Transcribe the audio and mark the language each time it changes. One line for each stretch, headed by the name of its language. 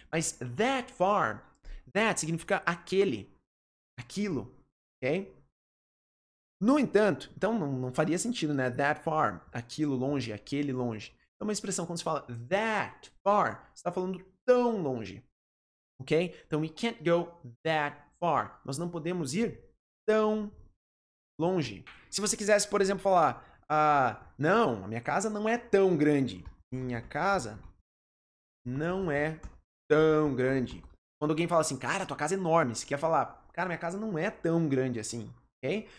Portuguese: Mas that far, that significa aquele, aquilo. Ok? No entanto, então não faria sentido, né? That far, aquilo longe, aquele longe. Então, uma expressão, quando se fala that far, você está falando tão longe. Ok?
English: Então, we can't go that far.
Portuguese: Nós não podemos ir tão longe. Se você quisesse, por exemplo, falar, não, a minha casa não é tão grande. Minha casa não é tão grande. Quando alguém fala assim, cara, tua casa é enorme. Você quer falar, cara, minha casa não é tão grande assim. Ok?